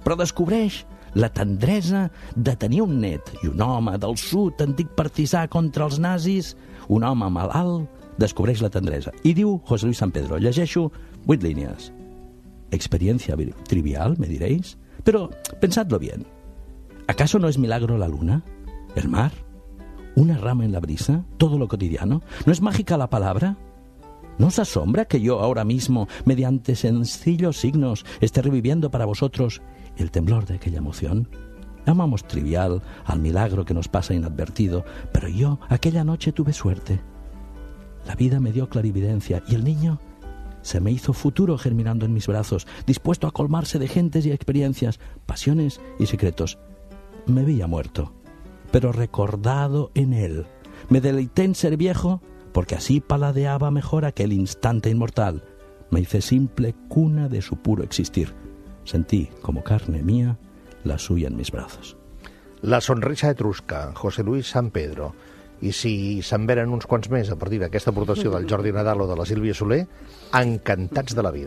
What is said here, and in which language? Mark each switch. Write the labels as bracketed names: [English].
[Catalan] Però descobreix la tendresa de tenir un net i un home del sud, antic partisà contra els nazis, un home malalt, descobreix la tendresa. I diu José Luis San Pedro, llegeixo 8 línies. [Spanish] Experiència trivial, me direis, però pensadlo bien. ¿Acaso no es milagro la luna, el mar, una rama en la brisa, todo lo cotidiano? ¿No es mágica la palabra? ¿No os asombra que yo ahora mismo, mediante sencillos signos, esté reviviendo para vosotros el temblor de aquella emoción? Llamamos trivial al milagro que nos pasa inadvertido, pero yo aquella noche tuve suerte. La vida me dio clarividencia y el niño se me hizo futuro germinando en mis brazos, dispuesto a colmarse de gentes y experiencias, pasiones y secretos. Me veía muerto, pero recordado en él. Me deleité en ser viejo, porque así paladeaba mejor aquel instante inmortal. Me hice simple cuna de su puro existir. Sentí, como carne mía, la suya en mis brazos. La Sonrisa Etrusca, José Luis San Pedro. [Catalan] I si se'n venen uns quants més a partir d'aquesta aportació del Jordi Nadal o de la Sílvia Soler, encantats de la vida.